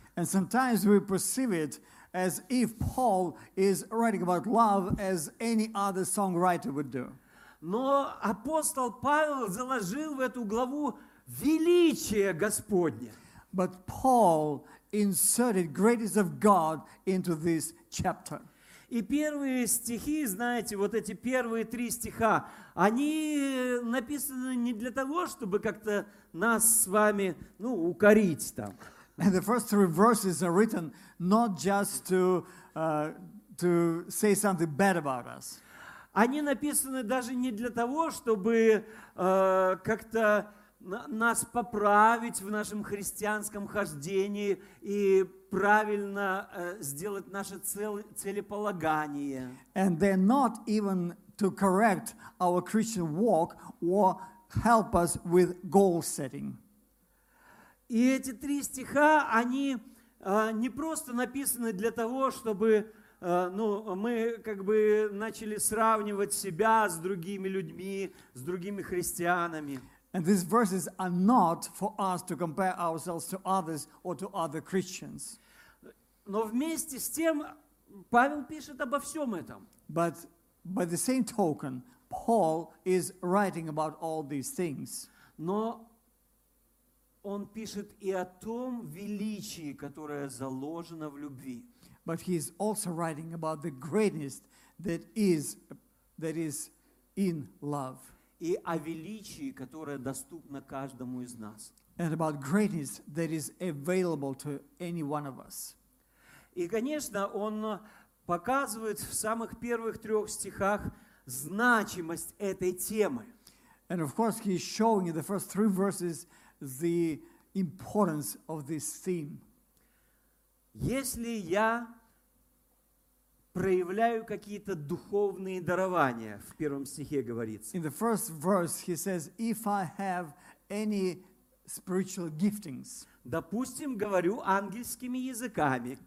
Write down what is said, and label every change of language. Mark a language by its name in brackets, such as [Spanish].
[English] And sometimes we perceive it as if Paul is writing about love as any other songwriter would do. [Russian] Но апостол Павел заложил в эту главу величие Господне. [English] But Paul inserted greatness of God into this chapter. [Russian] И первые стихи, знаете, вот эти первые три стиха, они написаны не для того, чтобы как-то нас с вами, ну, укорить там. [English] And the first three verses are written not just to say something bad about us. [Russian] Они написаны даже не для того, чтобы как-то нас поправить в нашем христианском хождении и правильно сделать наше целеполагание. [English] And they're not even to correct our Christian walk or help us with goal setting. [Russian] И эти три стиха, они не просто написаны для того, чтобы мы как бы начали сравнивать себя с другими людьми, с другими христианами. [English] And these verses are not for us to compare ourselves to others or to other Christians. [Russian] Но вместе с тем Павел пишет обо всем этом. [English] But by the same token, Paul is writing about all these things. [Russian] Но он пишет и о том величии, которое заложено в любви. [English] But he is also writing about the greatness that is that is in love. [Russian] И о величии, которое доступно каждому из нас. [English] And about greatness that is available to any one of us. [Russian] И, конечно, он показывает в самых первых трех стихах значимость этой темы. [English] And of course, he is showing in the first three verses the importance of this theme. [Russian] Если я проявляю какие-то духовные дарования, в первом стихе говорится. [English] In the first verse, he says, if I have any spiritual giftings. [Russian] Допустим, говорю ангельскими языками.